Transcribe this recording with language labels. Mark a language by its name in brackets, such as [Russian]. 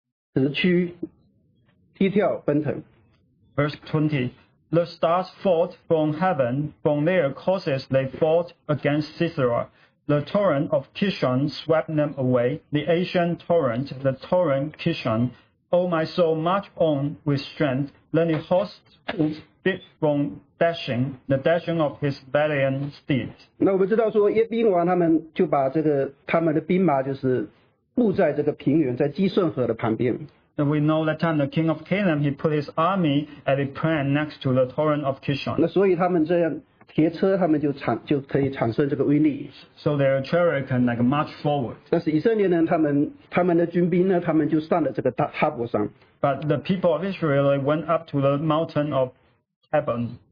[Chinese] 那么星宿从天上征战，从其轨道攻击西西拉，击顺谷河，把敌人出没。我的灵啊，应当努力前行，那时撞马直驱，踢跳奔腾。 [English] Verse 20, the stars fought from heaven, from their courses they fought against Sisera. The torrent of Kishon swept them away, the ancient torrent, the torrent Kishon. O my soul, march on with strength, let the host speak from dashing, the dashing of his valiant steeds. [Chinese] 那我们知道说耶宾王他们就把这个他们的兵马就是布在这个平原，在基顺河的旁边。 [English] And we know that time the king of Canaan, he put his army at a plain next to the torrent of Kishon. [Chinese] 那所以他们这样铁车，他们就可以产生这个威力。 [English] So their chariot can like march forward. [Chinese] 但是以色列人他们的军兵呢，他们就上了这个塔伯山。 [English] But the people of Israel went up to the mountain of Tabor.